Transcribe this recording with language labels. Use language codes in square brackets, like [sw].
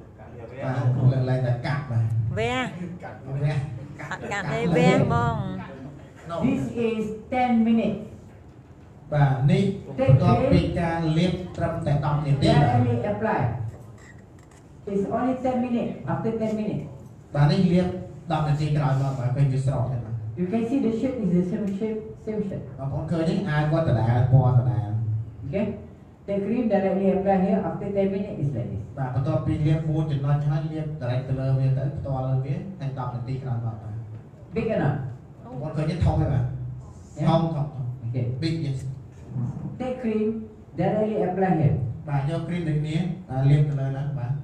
[en] I don't know if there's any medicine. [km] វាកាត់កាត់ឯវាបង [en] This is 10 minutes [km] បាទនេះបន្ទាប់ពីការលាបត្រឹមតែ10នាទី [en] Let me apply It's only 10 minutes after 10 minutes [km] បាទនេះលាប10នាទីក្រោយមកបើពេញវាស្រស់ទេបា [en] ទ You can see the shape is the same shape same shape [km] បងប្អូនឃើញអាចវត្តដែរពណ៌ដែរ [en] Okay The cream directly apply here after 10 minutes is like this. [km] បាទបន្ទាប់ពីលាបមួយចំណុចហើយលាបត្រឹមទៅលើវាទៅផ្ទាល់លើវាតែ10នាទីក្រោយមកបាទ [en] Big enough [km] បងឃើញធំហើយបាទធំធំធំ [en] Okay Big yes Take cream directly apply here [km] បាទយក cream ដូចនេះតែលាបទៅលើនោះបាទ